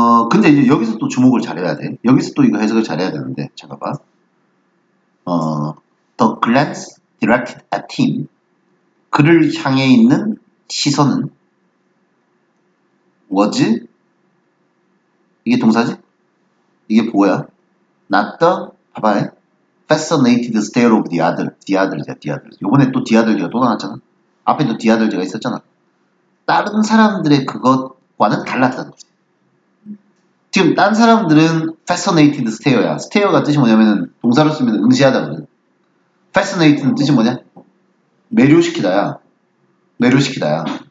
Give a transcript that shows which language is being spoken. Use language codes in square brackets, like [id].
[ko] 근데 이제 여기서 또 주목을 잘해야 돼. 여기서 또 이거 해석을 잘해야 되는데 잠깐 봐. [en] The glance directed at him. [ko] 그를 향해 있는 시선은 was 이게 동사지? 이게 뭐야? [en] Not the 봐봐 fascinated stare of the others야 the others. [ko] 요번에 또 the others가 또 나왔잖아. 앞에도 the others가 있었잖아. 다른 사람들의 그것과는 달랐다는 거지. 지금 다른 사람들은 fascinated stare야. stare가 뜻이 뭐냐면은 동사로 쓰면 응시하다거든. fascinated는 뜻이 뭐냐? 매료시키다야. 매료시키다야.